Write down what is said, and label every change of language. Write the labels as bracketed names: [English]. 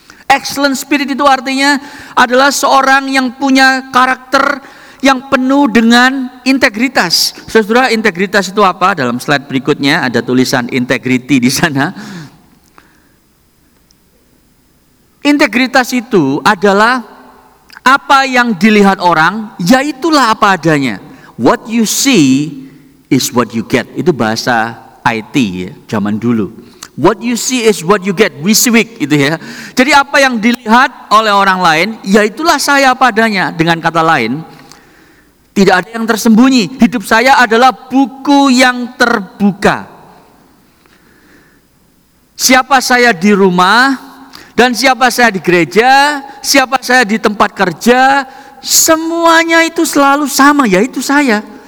[English] Excellent spirit [Indonesian] itu artinya adalah seorang yang punya karakter yang penuh dengan integritas. Saudara, integritas itu apa? Dalam slide berikutnya ada tulisan integrity di sana. Integritas itu adalah apa yang dilihat orang, yaitulah apa adanya. [English] What you see is what you get. [Indonesian] Itu bahasa IT ya, zaman dulu. [English] What you see is what you get. [Indonesian] We see week itu ya. Jadi apa yang dilihat oleh orang lain, yaitulah saya apa adanya. Dengan kata lain, tidak ada yang tersembunyi. Hidup saya adalah buku yang terbuka. Siapa saya di rumah dan siapa saya di gereja, siapa saya di tempat kerja, semuanya itu selalu sama, yaitu saya.